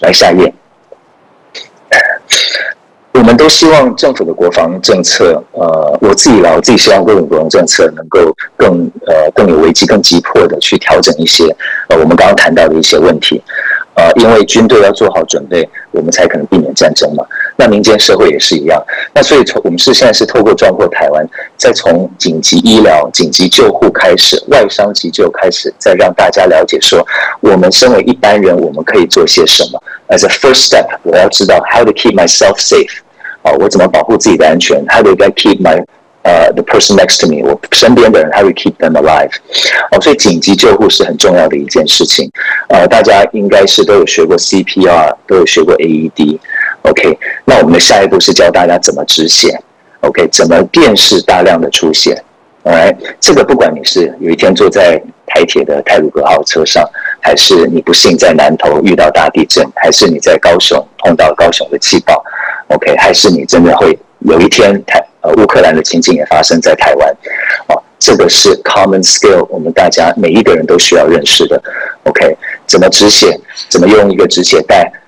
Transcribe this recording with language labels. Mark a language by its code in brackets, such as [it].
[zh] 来下一页，我们都希望政府的国防政策，我自己希望各种国防政策能够更有危机、更急迫的去调整一些我们刚刚谈到的一些问题，因为军队要做好准备，我们才可能避免战争嘛。那民间社会也是一样，那所以我们是现在是透过壮阔台湾，再从紧急医疗、紧急救护开始，外伤急救开始，再让大家了解说，我们身为一般人，我们可以做些什么。 [en] As a first step， [zh] 我要知道 [en] how to keep myself safe， 啊， [zh] 我怎么保护自己的安全 [en] ？How do I keep my the person next to me， [zh] 我身边的人 [en] ，how to keep them alive？ [zh] 哦，所以紧急救护是很重要的一件事情。大家应该是都有学过 CPR， 都有学过 AED。 OK， 那我们的下一步是教大家怎么止血 ，OK， 怎么辨识大量的出血 ，Alright， 这个不管你是有一天坐在台铁的泰鲁格号车上，还是你不幸在南投遇到大地震，还是你在高雄碰到高雄的气爆 ，OK， 还是你真的会有一天乌克兰的情景也发生在台湾，哦，这个是 [en] common skill， [zh] 我们大家每一个人都需要认识的 ，OK， 怎么止血，怎么用一个止血带。